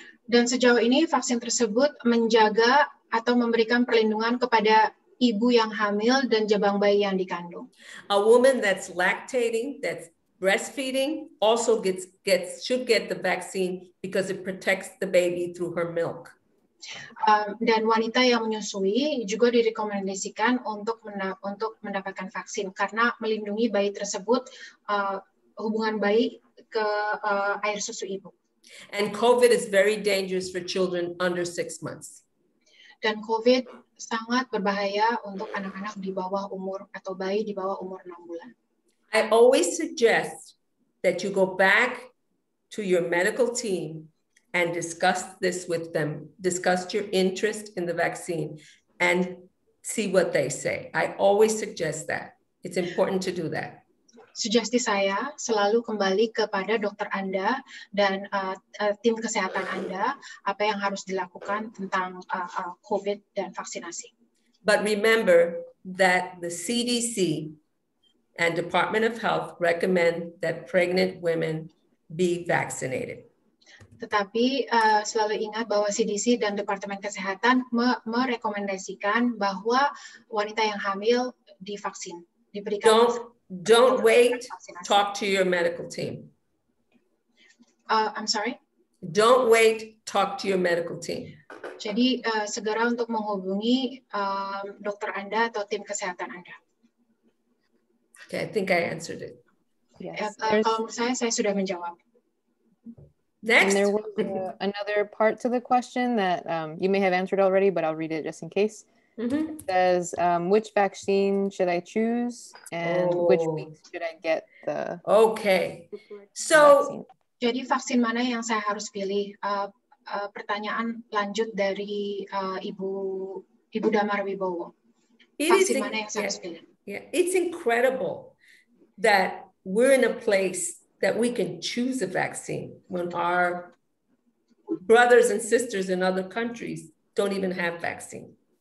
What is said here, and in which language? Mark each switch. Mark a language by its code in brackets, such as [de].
[id] Dan sejauh ini vaksin tersebut menjaga atau memberikan perlindungan kepada ibu yang hamil dan jabang bayi yang dikandung. [en] A woman that's lactating, that's breastfeeding, also should get the vaccine because it protects the baby through her milk. [id] Dan wanita yang menyusui juga direkomendasikan untuk mendapatkan vaksin karena melindungi bayi tersebut hubungan bayi ke air susu ibu. [en] And COVID is very dangerous for children under 6 months. [id] Dan COVID sangat berbahaya untuk anak-anak di bawah umur atau bayi di bawah umur 6 bulan. [en] I always suggest that you go back to your medical team and discuss this with them. Discuss your interest in the vaccine and see what they say. I always suggest that. It's important to do that. [id] Sugesti saya selalu kembali kepada dokter Anda dan tim kesehatan Anda apa yang harus dilakukan tentang COVID dan vaksinasi. [en] But remember that the CDC and Department of Health recommend that pregnant women be vaccinated. [id] Tetapi selalu ingat bahwa CDC dan Departemen Kesehatan merekomendasikan bahwa wanita yang hamil divaksin, diberikan. [en] Don't wait. Talk to your medical team. I'm sorry. Don't wait. Talk to your medical team. [id] Jadi segera untuk menghubungi dokter Anda atau tim kesehatan Anda. [en] Okay, I think I answered it. Yes. [id] Kalau menurut saya sudah menjawab. [en] Next. And there was another part to the question that you may have answered already, but I'll read it just in case. Mm-hmm. It says, which vaccine should I choose and which week should I get the vaccine? Okay. So, [id] jadi vaksin mana yang saya harus pilih? Pertanyaan lanjut dari Ibu Damar Wibowo. Vaksin mana yang saya harus pilih? [en] Yeah, it's incredible that we're in a place that we can choose a vaccine when our brothers and sisters in other countries don't even have vaccine.